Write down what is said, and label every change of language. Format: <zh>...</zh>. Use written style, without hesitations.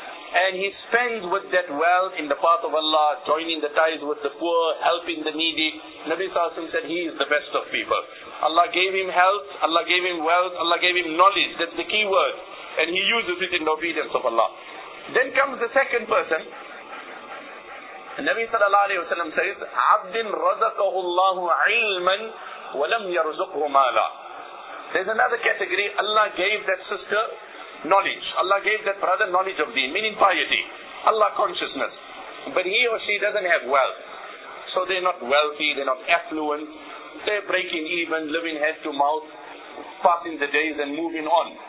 <en>And he spends with that wealth in the path of Allah, joining the ties with the poor, helping the needy. Nabi Sallallahu Alaihi Wasallam said he is the best of people. Allah gave him health, Allah gave him wealth, Allah gave him knowledge. That's the key word. And he uses it in the obedience of Allah. Then comes the second person.</en> <ar>Nabi Sallallahu Alaihi Wasallam</ar> <en>says,</en> <ar>عَبْدٍ رَزَقَهُ اللَّهُ عِلْمًا وَلَمْ يَرْزُقْهُ مَالًا.</ar> <en>There's another category. Allah gave that sister knowledge. Allah gave that brother knowledge of deen, meaning piety, Allah consciousness. But he or she doesn't have wealth. So they're not wealthy, they're not affluent. They're breaking even, living head to mouth, passing the days and moving on.</en>